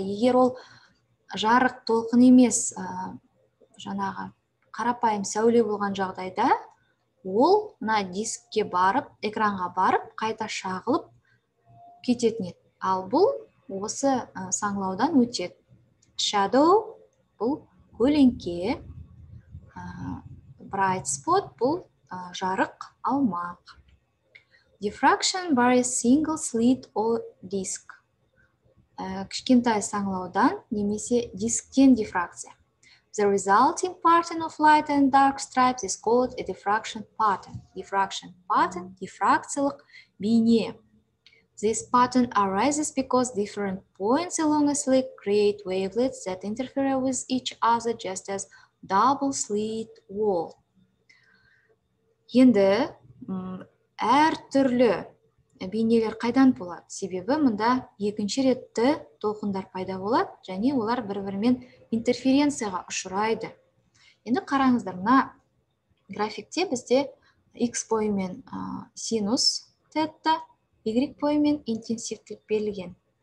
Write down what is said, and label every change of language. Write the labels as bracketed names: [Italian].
[Kazakh] Егер ол жарық толқын емес, жаңағы қарапайым сәуле болған жағдайда, ол мына дискке барып, экранға барып, қайта шағылып кететін еді. Ал бұл осы саңлаудан өтеді. Shadow бұл көлеңке, bright spot бұл жарық алмақ. [English] Diffraction by a single slit or disk. [Kazakh] Кішкентай саңлаудан немесе дисктен дифракция. [English] The resulting pattern of light and dark stripes is called a diffraction pattern. Diffraction pattern, [Kazakh] дифракциялық бейне. [English] This pattern arises because different points along a slit create wavelets that interfere with each other, just as double slit wall. [Kazakh] Енді әр түрлі бейнелер қайдан болады? Себебі мұнда екінші ретті толқындар пайда болады, және олар бір-бірімен интерференцияға ұшырайды. Енді қараңыздар, мына графикте бізде x бойымен синус тетта, y бойымен интенсивтік берілген.